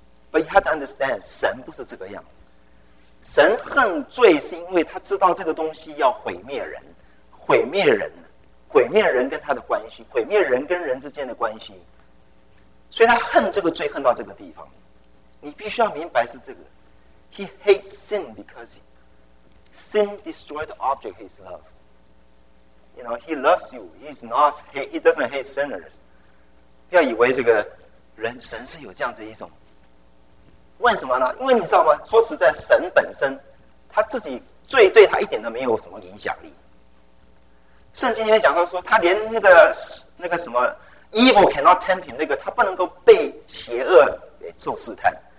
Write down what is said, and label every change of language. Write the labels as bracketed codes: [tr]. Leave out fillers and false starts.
[en] But you have to understand， [zh] 神不是这个样。神恨罪是因为他知道这个东西要毁灭人，毁灭人，毁灭人跟他的关系，毁灭人跟人之间的关系。所以他恨这个罪，恨到这个地方。你必须要明白是这个。 [en] He hates sin because sin destroyed the object he loves. You know, he loves you. He's not he doesn't hate sinners. [zh] 不要以为这个人神是有这样子一种。为什么呢？因为你知道吗？说实在，神本身他自己罪对他一点都没有什么影响力。圣经里面讲到说，他连那个什么 [en] evil cannot tempt him， [zh] 那个他不能够被邪恶给受试探。